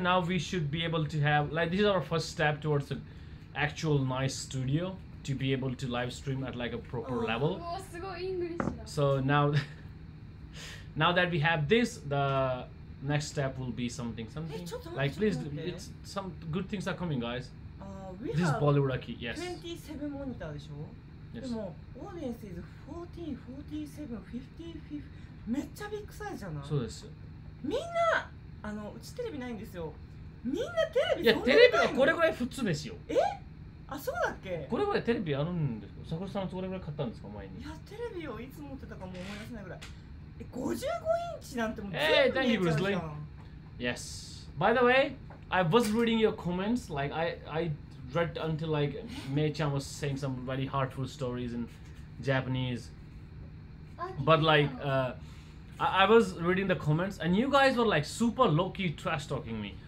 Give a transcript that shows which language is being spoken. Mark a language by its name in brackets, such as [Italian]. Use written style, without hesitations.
[English] Now we should be able to have, like, this is our first step towards an actual nice studio to be able to live stream at like a proper level. So now that we have this, the next step will be something like, please, it's some good things are coming, guys. This is Bollywood Aki. Yes, 27 monitor, [Japanese] でしょ。 [English] Yes. [Japanese] でもオーディエンスイズ14、47、55、めっちゃビッグサイズじゃない。そうですよ。みんなあのうちテレビないんですよ。みんなテレビ、いやテレビはこれぐらい普通ですよ。え、あ、そうだっけ。これぐらいテレビあるんですか。桜さんはどれぐらい買ったんですか前に。いやテレビをいつ持ってたかも思い出せないぐらい。え、55インチなんてもう全部見えちゃうじゃん。 [English] Yes. By the way, I was reading your comments. Like I read until like Mei-chan was saying some very heartful stories in Japanese, but like I was reading the comments and you guys were like super low-key trash talking me.